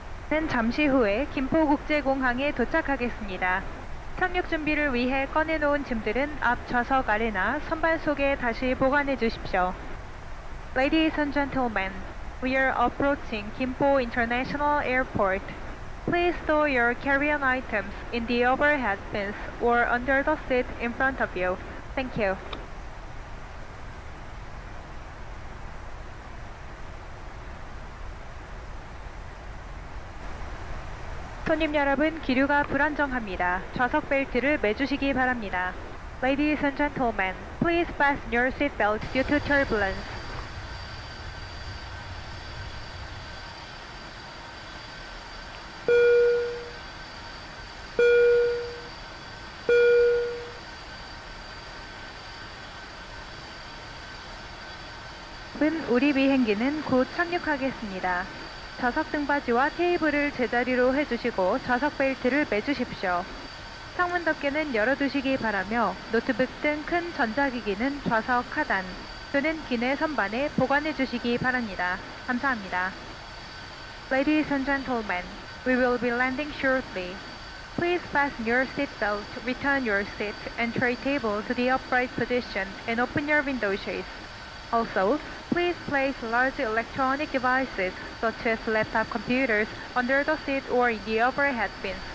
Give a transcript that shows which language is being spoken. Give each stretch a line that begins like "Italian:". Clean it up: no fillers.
Korean: 는 잠시 후에 김포국제공항에 도착하겠습니다. 착륙 준비를 위해 꺼내놓은 짐들은 앞 좌석 아래나 선반 속에 다시 보관해 주십시오.
English: Ladies and gentlemen, we are approaching Gimpo International Airport. Please store your carry-on items in the overhead bins or under the seat in front of you. Thank you.
Korean: 손님 여러분, 기류가 불안정합니다. 좌석 벨트를 매주시기 바랍니다.
English: Ladies and gentlemen, please fasten your seat belts due to turbulence.
Korean: 은 우리 비행기는 곧 착륙하겠습니다. 좌석 등받이와 테이블을 제자리로 해주시고 좌석 벨트를 매주십시오. 창문 덮개는 열어두시기 바라며 노트북 등 큰 전자기기는 좌석 하단 또는 기내 선반에 보관해주시기 바랍니다. 감사합니다.
English: Ladies and gentlemen, we will be landing shortly. Please fasten your seatbelt, return your seat and tray table to the upright position and open your window shades. Also, please place large electronic devices, such as laptop computers, under the seat or in the overhead bins.